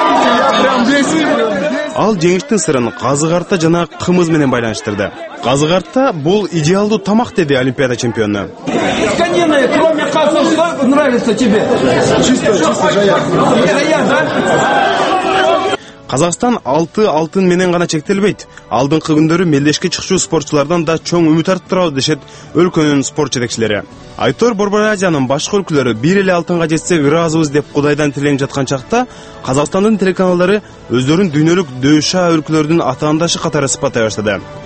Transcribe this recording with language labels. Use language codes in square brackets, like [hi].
[ky] Ал жеңиштин сырын казык арта жана кымыз менен байланыштырды. Казык арта бул идеалдуу тамак, деди олимпиада чемпиону. [ru] Конина, кроме казы, что нравится тебе? Чисто, чисто, жая. [ky] Казакстан 6 алтын менен гана чектелбейт. Алдыңкы күндөрү мелдешке чыкчу спортчулардан да чоң үмүт арттырабыз дешет өлкөнүн спорт жетекчилери. Айтор Борборазиянын башка өлкөлөрү бир эле алтынга жетсе ыраазыбыз деп кудайдан тилеп жаткан чакта, Казакстандын телеканалдары өздөрүн дүйнөлүк дөйшө өлкөлөрдүн атаандашы катары сыпаттай баштады.